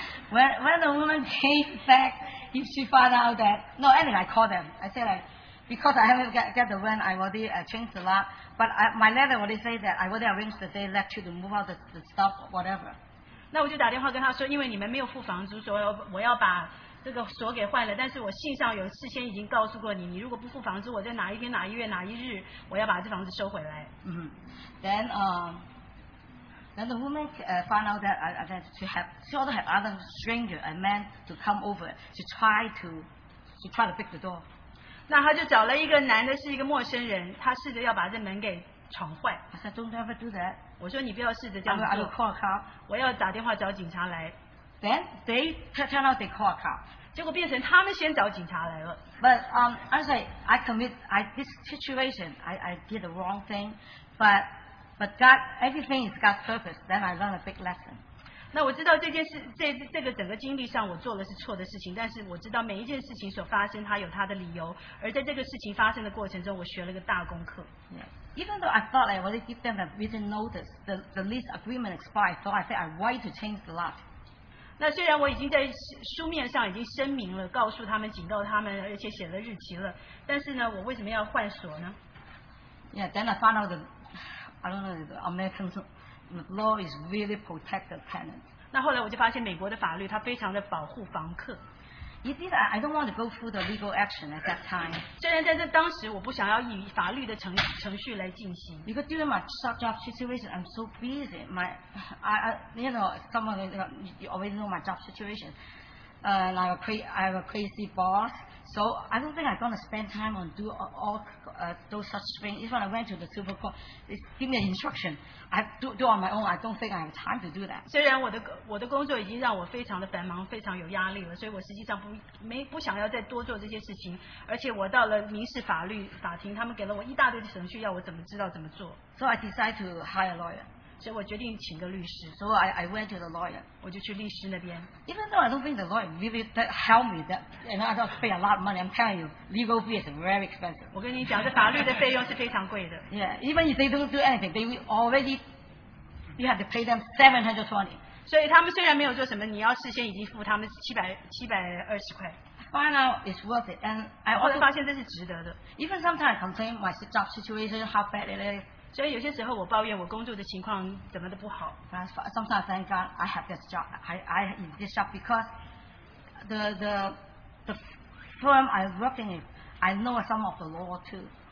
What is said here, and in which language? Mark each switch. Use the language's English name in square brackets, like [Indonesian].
[English] When the woman came back, if she found out that no, anyway, I called them. I said like. Because I haven't get the rent, I already changed the lot. But my letter already say that I already arranged the day left you to move out the stuff, whatever. [Chinese] 那我就打电话跟他说，因为你们没有付房租，所以我要把这个锁给换了。但是我信上有事先已经告诉过你，你如果不付房租，我在哪一天哪一月哪一日，我要把这房子收回来。 Mm-hmm. [English] Then the woman found out that she also had other stranger, a man, to come over to try to pick the door. [Chinese] 那他就找了一个男的，是一个陌生人，他试着要把这门给闯坏。 [English] I said, don't ever do that. [Chinese] 我说你不要试着这样做。 [English] I will call a cop. [Chinese] 我要打电话找警察来。 [English] Then they turn out they call a cop. [Chinese] 结果变成他们先找警察来了。 [English] But I this situation, I did the wrong thing, but God, everything is God's purpose. Then I learned a big lesson. [Chinese] 那我知道这件事，这个整个经历上，我做的是错的事情。但是我知道每一件事情所发生，它有它的理由。而在这个事情发生的过程中，我学了个大功课。 [English] Yeah. Even though I thought I already give them a written notice, the lease agreement expired, so I said I'm right to change the lot. [Chinese] 那虽然我已经在书面上已经声明了，告诉他们、警告他们，而且写了日期了，但是呢，我为什么要换锁呢 [English] ？Yeah. Then I found out I don't know the American law is really protect the tenant. [Chinese] 那后来我就发现美国的法律它非常的保护房客。 [English] You see that I don't want to go through the legal action at that time. [Chinese] 虽然在这当时我不想要以法律的程序来进行。 [English] Because during my job situation, I'm so busy. You already know my job situation. I have a crazy boss. So I don't think I'm going to spend time on do all those such things. Even when I went to the Super Court, they give me an instruction. I do on my own. I don't think I have time to do that. [Chinese] 虽然我的工作已经让我非常的繁忙，非常有压力了，所以我实际上不想要再多做这些事情。而且我到了民事法庭，他们给了我一大堆的程序，要我怎么知道怎么做。 [English] So I decide to hire a lawyer. [Chinese] 所以我决定请个律师。 [English] So I went to the lawyer. [Chinese] 我就去律师那边。 [English] Even though I don't think the lawyer really that helped me, and I don't pay a lot of money, I'm telling you, legal fees are very expensive. [Chinese] 我跟你讲，这法律的费用是非常贵的。 [English] Yeah, even if they don't do anything, they already you have to pay them $720. [Chinese] 所以他们虽然没有做什么，你要事先已经付他们$720。 [English] Find out it's worth it, and I also [Chinese] 发现这是值得的。 [English] Even sometimes I complain my job situation how bad it is. [Chinese] 所以有些时候我抱怨我工作的情况怎么的不好。 [English] Sometimes thank God I have this job. I in this job because the firm I work in, I know some of the law too.